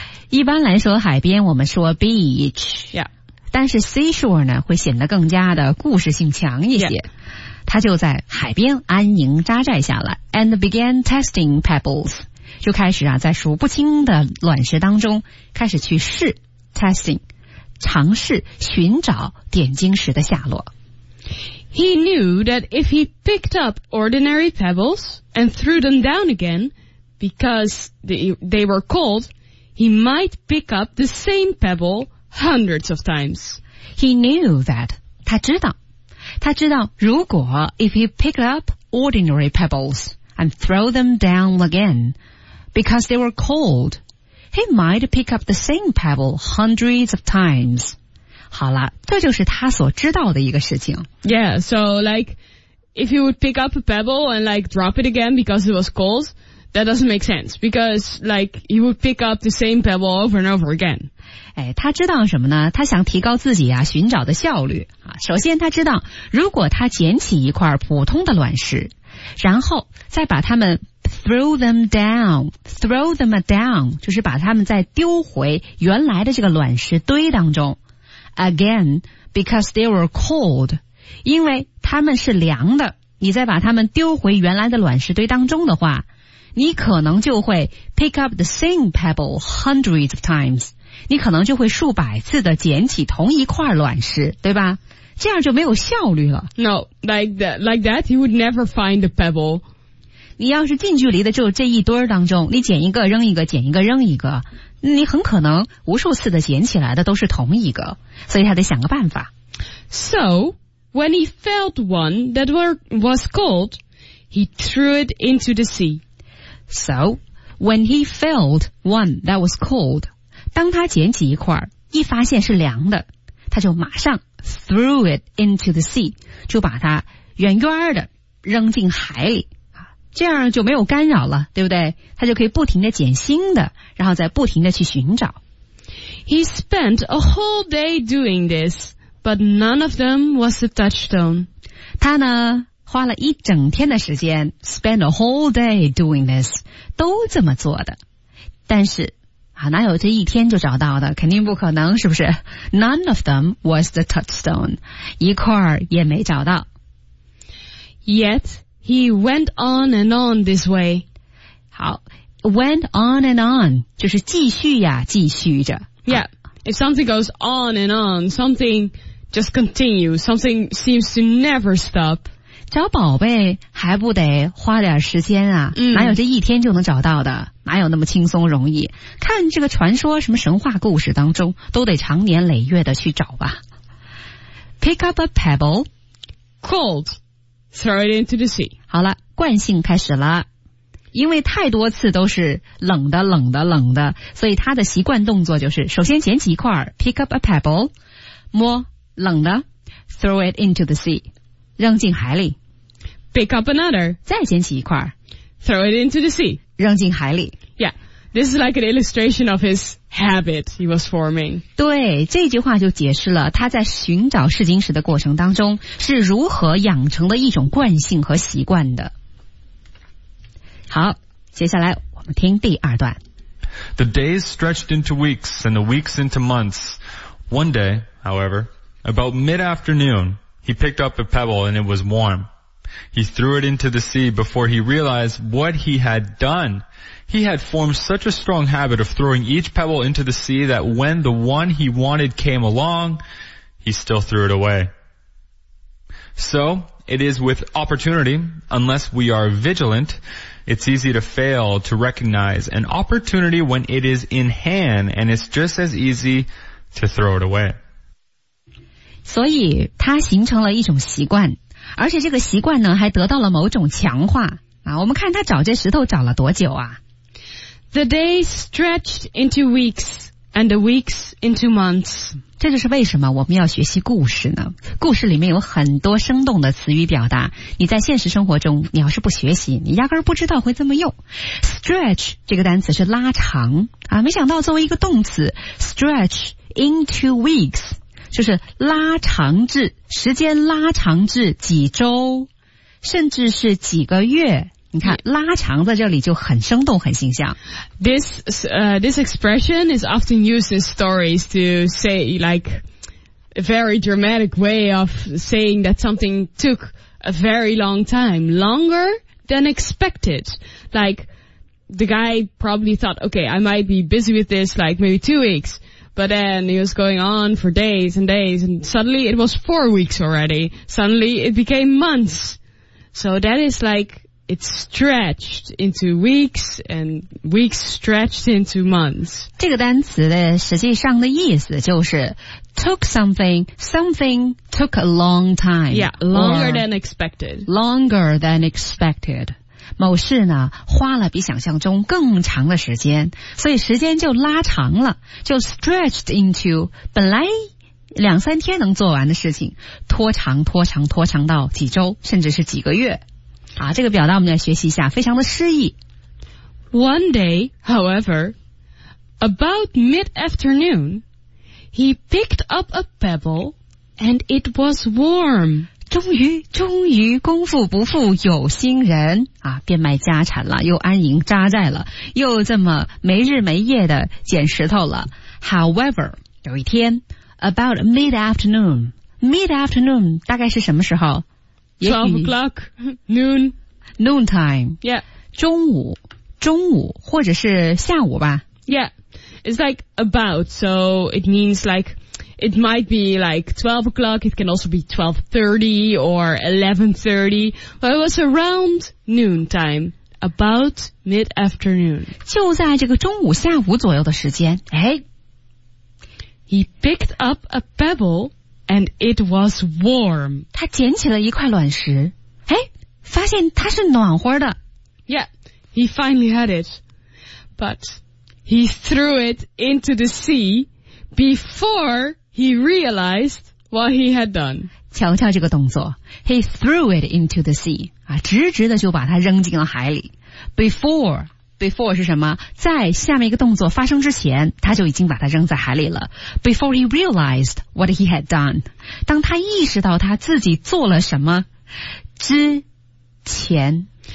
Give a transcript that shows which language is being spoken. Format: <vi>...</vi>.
<zh>一般来说，海边我们说</zh> <en>beach. Yeah.</en> <zh>但是</zh> <en>seashore</en> <zh>呢会显得更加的故事性强一些。</zh> <en>Yeah.</en> <zh>他就在海边安宁扎寨下来 ,</zh> <en>and began testing pebbles,</en> <zh>就开始啊在数不清的卵石当中开始去试</zh> <en>testing,</en> <zh>尝试寻找点睛石的下落。</zh> <en>He knew that if he picked up ordinary pebbles and threw them down again, because they were cold, he might pick up the same pebble hundreds of times. He knew that,</en> <zh>他知道。 他知道如果</zh> <en>if he picked up ordinary pebbles and throw them down again because they were cold, he might pick up the same pebble hundreds of times.</en> <zh>好了，这就是他所知道的一个事情。</zh> <en>Yeah, so like if he would pick up a pebble and like drop it again because it was cold, that doesn't make sense because like he would pick up the same pebble over and over again.</en> <zh>哎，他知道什么呢？他想提高自己啊，寻找的效率啊。首先，他知道如果他捡起一块普通的卵石，然后再把它们</zh> <en>throw them down，</en> <zh>就是把它们再丢回原来的这个卵石堆当中。</zh> <en>Again, because they were cold，</en> <zh>因为它们是凉的。你再把它们丢回原来的卵石堆当中的话，你可能就会</zh> <en>pick up the same pebble hundreds of times。</en> <zh>你可能就会数百次的捡起同一块卵石，对吧？这样就没有效率了。</zh> <en>No, like that, you would never find a pebble.</en> <zh>你要是近距离的就这一堆当中，你捡一个扔一个，捡一个扔一个，你很可能无数次的捡起来的都是同一个，所以他得想个办法。</zh> <en>So, when he felt one that was cold, he threw it into the sea. So, when he felt one that was cold,</en> <zh>当他捡起一块一发现是凉的，他就马上</zh> <en>threw it into the sea，</en> <zh>就把它远远的扔进海里，这样就没有干扰了，对不对？他就可以不停的捡新的，然后再不停的去寻找。</zh> <en>He spent a whole day doing this, but none of them was a touchstone.</en> <zh>他呢花了一整天的时间</zh> <en>spend a whole day doing this，</en> <zh>都这么做的，但是哪有这一天就找到的，肯定不可能，是不是？</zh> <en>None of them was the touchstone.</en> <zh>一块也没找到。</zh> <en>Yet, he went on and on this way.</en> <zh>好，</zh> <en>went on and on,</en> <zh>就是继续呀，继续着。</zh> <en>Yeah, if something goes on, something just continues, something seems to never stop.</en> <zh>找宝贝还不得花点时间啊，哪有这一天就能找到的。哪有那么轻松容易，看这个传说什么神话故事当中都得长年累月的去找吧。</zh> <en>Pick up a pebble cold, throw it into the sea.</en> <zh>好了，惯性开始了，因为太多次都是冷的冷的冷的，所以他的习惯动作就是首先捡起一块</zh> <en>pick up a pebble,</en> <zh>摸冷的</zh> <en>throw it into the sea,</en> <zh>扔进海里</zh> <en>pick up another,</en> <zh>再捡起一块</zh> <en>throw it into the sea,</en> <zh>扔进海里。</zh> <en>Yeah, this is like an illustration of his habit he was forming.</en> <zh>对，这句话就解释了他在寻找试金石的过程当中是如何养成的一种惯性和习惯的。好，接下来我们听第二段。</zh> <en>The days stretched into weeks and the weeks into months. One day, however, about mid-afternoon, he picked up a pebble and it was warm. He threw it into the sea before he realized what he had done. He had formed such a strong habit of throwing each pebble into the sea that when the one he wanted came along, he still threw it away. So, it is with opportunity, unless we are vigilant, it's easy to fail to recognize an opportunity when it is in hand, and it's just as easy to throw it away.</en> <zh>所以它形成了一种习惯。而且这个习惯呢还得到了某种强化啊！我们看他找这石头找了多久啊。</zh> <en>The days stretched into weeks and the weeks into months.</en> <zh>这就是为什么我们要学习故事呢，故事里面有很多生动的词语表达，你在现实生活中你要是不学习，你压根不知道会这么用。 Stretch 这个单词是拉长啊，没想到作为一个动词</zh> <en>Stretch into weeks</en> <zh>就是拉长至时间，拉长至几周甚至是几个月，你看拉长在这里就很生动很形象。</zh> <en>This expression is often used in stories to say like a very dramatic way of saying that something took a very long time, longer than expected. Like, the guy probably thought, okay, I might be busy with this, like, maybe 2 weeks. But then it was going on for days and days, and suddenly it was 4 weeks already. Suddenly it became months. So that is like, it stretched into weeks, and weeks stretched into months.</en> <zh>这个单词的实际上的意思就是</zh> <en>took something, something took a long time. Yeah, longer than expected. Longer than expected.</en> <zh>某事呢花了比想象中更长的时间，所以时间就拉长了，就</zh> <en>stretched into</en> <zh>本来两三天能做完的事情，拖长拖长拖长到几周甚至是几个月。好，这个表达我们来学习一下，非常的诗意。</zh> <en>One day, however, about mid-afternoon, he picked up a pebble and it was warm.</en> <zh>终于，终于功夫不负有心人啊，变卖家产了，又安营扎寨了，又这么没日没夜的捡石头了。</zh> <en>However,</en> <zh>有一天</zh> <en>about mid-afternoon, mid-afternoon</en> <zh>大概是什么时候？</zh> <en>12 o'clock, noon, noon time. Yeah,</en> <zh>中午，中午或者是下午吧。</zh> <en>Yeah, it's like about, so it means like it might be like 12 o'clock. It can also be 12:30 or 11:30. But it was around noon time, about mid afternoon.</en> <zh>就在这个中午下午左右的时间，哎</zh> <en>，He picked up a pebble. And it was warm.</en> <zh>他捡起了一块卵石，哎，发现它是暖和的。</zh> <en>Yeah, he finally had it, but he threw it into the sea before he realized what he had done.</en> <zh>瞧瞧这个动作，he threw it into the sea. 啊，直直的就把它扔进了海里。 Before 是什么？在下面一个动作发生之前，他就已经把它扔在海里了。</zh> <en>Before he realized what he had done，</en> <zh>当他意识到他自己做了什么之前</zh>